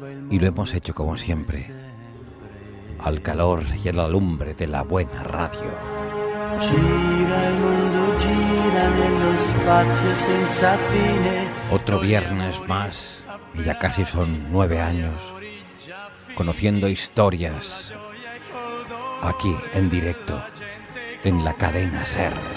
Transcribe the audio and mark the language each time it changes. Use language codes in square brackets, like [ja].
[es] Y lo hemos hecho como siempre, al calor y a la lumbre de la buena radio. Gira el mundo, [it] gira nello spazio senza fine. [es] Otro viernes más, y ya casi son 9 años conociendo historias aquí en directo en la cadena SER.